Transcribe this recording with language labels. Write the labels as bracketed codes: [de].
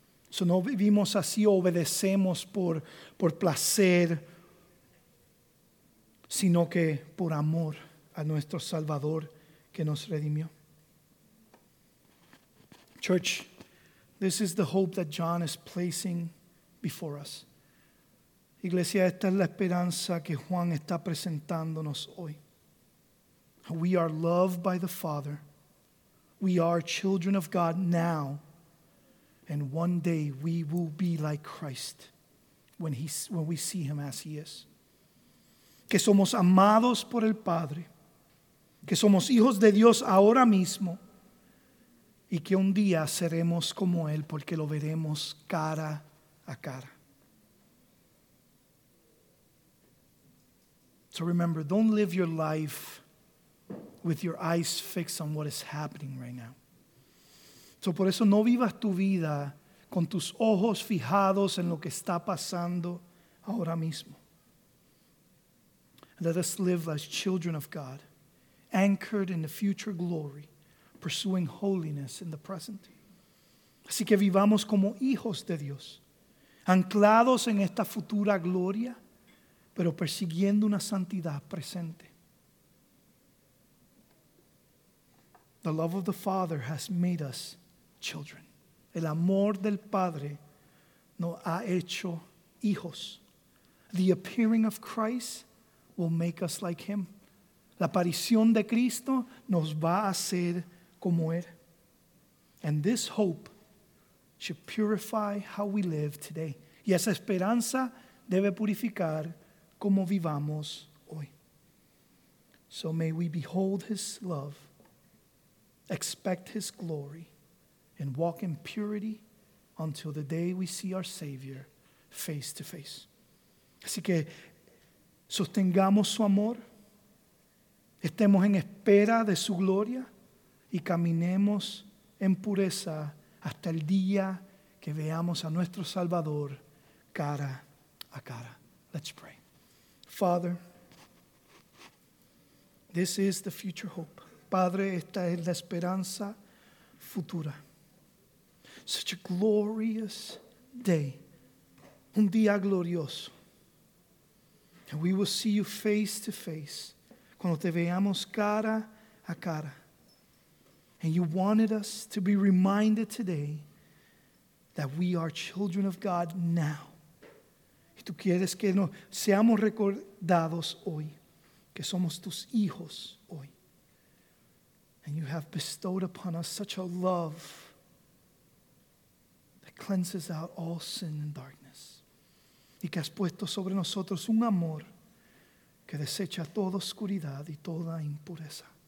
[es] So no vivimos así, obedecemos por placer, sino que por amor a nuestro Salvador que nos redimió. [en] Church, this is the hope that John is placing before us. [es] Iglesia, esta es la esperanza que Juan está presentándonos hoy. [en] We are loved by the Father. We are children of God now. And one day we will be like Christ when we see him as he is. [es] Que somos amados por el Padre. Que somos hijos de Dios ahora mismo. Y que un día seremos como Él porque lo veremos cara a cara. [en] So remember, don't live your life with your eyes fixed on what is happening right now. [es] So por eso no vivas tu vida con tus ojos fijados en lo que está pasando ahora mismo. [en] Let us live as children of God, anchored in the future glory, pursuing holiness in the present. [es] Así que vivamos como hijos de Dios, anclados en esta futura gloria, pero persiguiendo una santidad presente. [en] The love of the Father has made us children. [es] El amor del Padre nos ha hecho hijos. [en] The appearing of Christ will make us like him. [es] La aparición de Cristo nos va a hacer como él. [en] And this hope should purify how we live today. [es] Y esa esperanza debe purificar como vivamos hoy. [en] So may we behold his love, expect his glory, and walk in purity until the day we see our Savior face to face. [es] Así que sostengamos su amor, estemos en espera de su gloria y caminemos en pureza hasta el día que veamos a nuestro Salvador cara a cara. [en] Let's pray. Father, this is the future hope. [es] Padre, esta es la esperanza futura. [en] Such a glorious day. [es] Un día glorioso. [en] And we will see you face to face. [es] Cuando te veamos cara a cara. [en] And you wanted us to be reminded today that we are children of God now. [es] Y tú quieres que nos seamos recordados hoy, que somos tus hijos hoy. [en] And you have bestowed upon us such a love that cleanses out all sin and darkness. [es] Y que has puesto sobre nosotros un amor que desecha toda oscuridad y toda impureza.